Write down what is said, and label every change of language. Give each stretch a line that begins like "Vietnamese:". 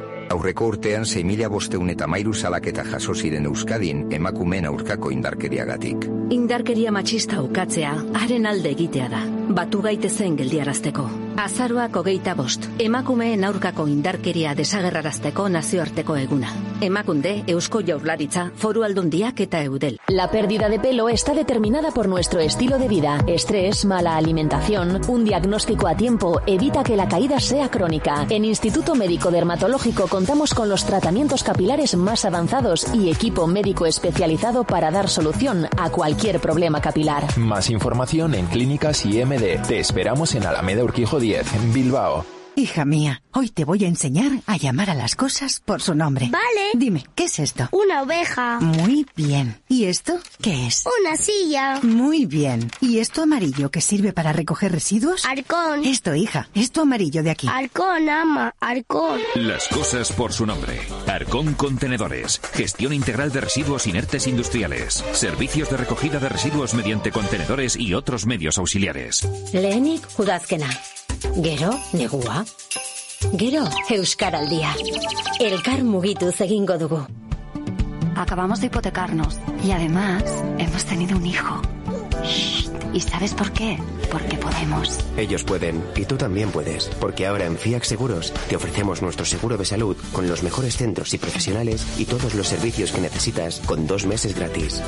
Basque: Aurreko urtean 6.500 eta mairu salaketa jaso ziren Euskadin emakumeen aurkako indarkeriagatik. Indarkeria matxista ukatzea haren alde egitea da, batu gaitezen geldiarazteko. Azaroak 25, emakumeen aurkako indarkeria desagerrarazteko nazioarteko eguna. Emakunde, Eusko Jaurlaritza, Foru Aldundiak eta Eudel.
Spanish: La pérdida de pelo está determinada por nuestro estilo de vida. Estrés, mala alimentación, un diagnóstico a tiempo evita que la caída sea crónica. En Instituto Médico Dermatológico contamos con los tratamientos capilares más avanzados y equipo médico especializado para dar solución a cualquier problema capilar. Más información en Clínicas IMD. Te esperamos en Alameda Urquijo 10, en Bilbao. Hija mía, hoy te voy a enseñar a llamar a las cosas por su nombre. Vale. Dime, ¿qué es esto? Una oveja. Muy bien. ¿Y esto qué es? Una silla. Muy bien. ¿Y esto amarillo que sirve para recoger residuos? Arcón. Esto, hija, esto amarillo de aquí. Arcón, ama, arcón. Las cosas por su nombre. Arcón Contenedores. Gestión integral de residuos inertes industriales. Servicios de recogida de residuos mediante contenedores y otros medios auxiliares.
Basque: Lehenik udazkena. Gero, negua. Gero, Euskar al día. Elkar mugituz egingo dugu.
Spanish: Acabamos de hipotecarnos. Y además, hemos tenido un hijo. Shh. ¿Y sabes por qué? Porque podemos. Ellos pueden, y tú también puedes. Porque ahora en FIAC Seguros te ofrecemos nuestro seguro de salud con los mejores centros y profesionales y todos los servicios que necesitas con 2 meses gratis.